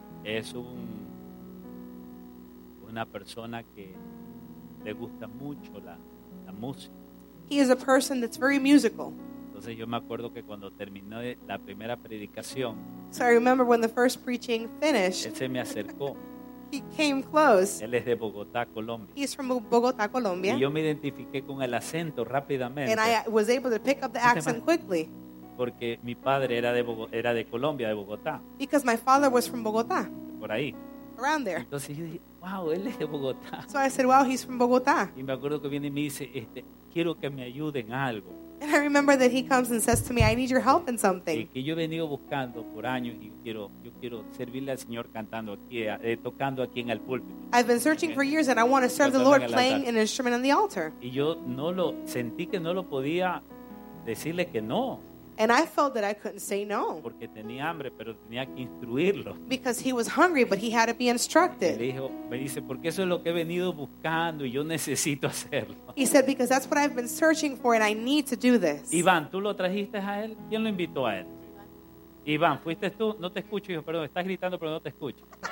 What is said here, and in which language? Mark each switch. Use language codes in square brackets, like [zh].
[es] Es una persona que le gusta mucho la música. [en] He is a person that's very musical. [es] Entonces yo me acuerdo que cuando terminó la primera predicación, [en] so I remember when the first preaching finished, [es] él se me acercó. [en] He came close. [es] Él es de Bogotá, Colombia. [en] He's from Bogotá, Colombia. [es] Y yo me identifiqué con el acento rápidamente. [en] And I was able to pick up the accent quickly. [es] Porque mi padre era de Colombia, de Bogotá. [en] Because my father was from Bogotá. [es] Por ahí. [en] Around there. [es] Entonces yo dije, wow, él es de Bogotá. [en] So I said, wow, he's from Bogotá. [es] Y me acuerdo que viene y me dice, quiero que me ayuden algo. [en] And I remember that he comes and says to me, I need your help in something. [es] Que yo he venido buscando por años y yo quiero servirle al Señor cantando aquí, tocando aquí en el púlpito. [en] I've been searching for years and I want to serve the Lord playing an instrument on the altar. [es] Y yo no lo sentí que no lo podía decirle que no. [en] And I felt that I couldn't say no. [es] Porque tenía hambre, pero tenía que instruirlo. [en] Because he was hungry, but he had to be instructed. [es] Y me dice, porque eso es lo que he venido buscando y yo necesito hacerlo. [en] He said, because that's what I've been searching for and I need to do this. [es] Iván, ¿tú lo trajiste a él? ¿Quién lo invitó a él? Iván, ¿fuiste tú? No te escucho, hijo, perdón, estás gritando, pero no te escucho.